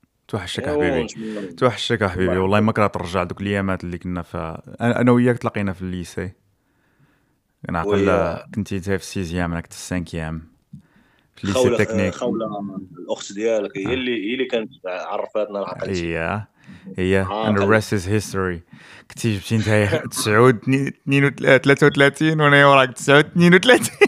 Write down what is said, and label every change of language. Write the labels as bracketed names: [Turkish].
[Arabic] توحشك حبيبي والله ما كرهت ترجع دوك الايامات اللي كنا انا وياك تلاقينا في الليسي. انا عقل كنتي تاي في سيزيام انا كنت في سانكيام في الليسي تكنيك. خولة الاخت ديالك هي اللي كانت عرفاتنا العقل. [English] Yeah, and the rest is history. [Arabic] كنتي جبتي نتايا 33 وانا وراك 32.